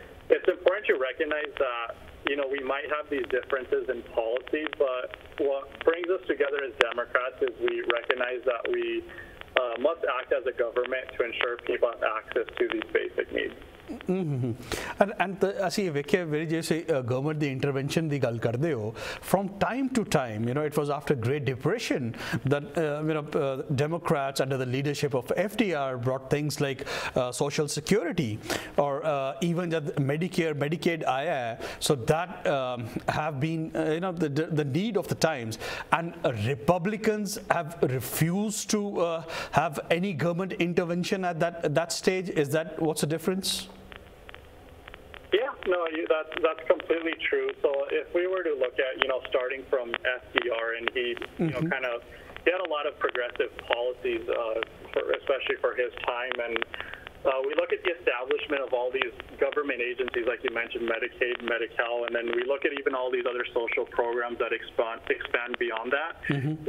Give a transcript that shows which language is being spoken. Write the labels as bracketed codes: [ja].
[en] It's important to recognize that, you know, we might have these differences in policy, but what brings us together as Democrats is we recognize that we must act as a government to ensure people have access to these basic needs. [pa] ਅਸੀਂ ਵੇਖਿਆ ਵੀਰ ਜੀ, ਅਸੀਂ government ਦੀ intervention ਦੀ ਗੱਲ ਕਰਦੇ ਹੋ, [en] from time to time, you know, it was after great depression that you know Democrats under the leadership of F D R brought things like social security or even ਜਦ Medicare Medicaid [pa] ਆਇਆ ਹੈ, [en] So that have been you know the need of the times, and Republicans have refuse to have any government intervention at that stage. Is that what's a difference? Yeah, no, that's completely true. So if we were to look at, you know, starting from FDR, and he, you know, kind of, he had a lot of progressive policies, especially for his time. And we look at the establishment of all these government agencies, like you mentioned, Medicaid, Medi-Cal, and then we look at even all these other social programs that expand beyond that. Mm-hmm.